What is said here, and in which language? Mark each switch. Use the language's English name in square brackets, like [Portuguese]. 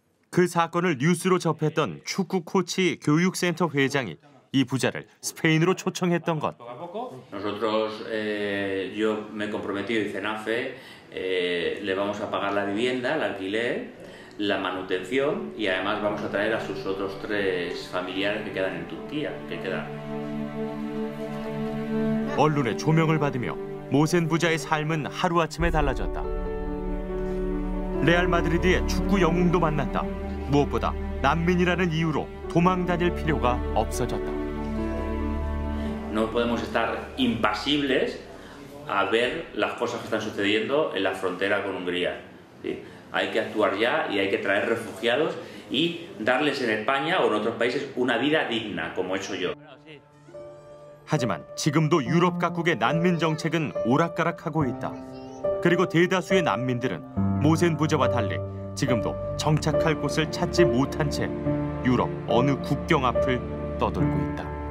[Korean] كل 사건을 뉴스로 접했던 축구 코치 교육센터 회장이 이 부자를 스페인으로 초청했던 것. [Spanish] Nosotros yo me comprometí y CENAFE le vamos a pagar la vivienda, el alquiler, la manutención y además vamos a traer a sus otros tres familiares que quedan en Turquía, que quedan. [Korean] 언론의 조명을 받으며 모센 부자의 삶은 하루아침에 달라졌다. 레알 마드리드의 축구 영웅도 만났다. 무엇보다 난민이라는 이유로 도망 다닐 필요가 없어졌다. [Spanish] No podemos estar impasibles a ver las cosas que están sucediendo en la frontera con Hungría. ¿Sí? Hay que actuar ya y hay que traer refugiados y darles en España o en otros países una vida digna, como he hecho yo. [Korean] 하지만 지금도 유럽 각국의 난민 정책은 오락가락하고 있다. 그리고 대다수의 난민들은 모센 부자와 달리 지금도 정착할 곳을 찾지 못한 채 유럽 어느 국경 앞을 떠돌고 있다.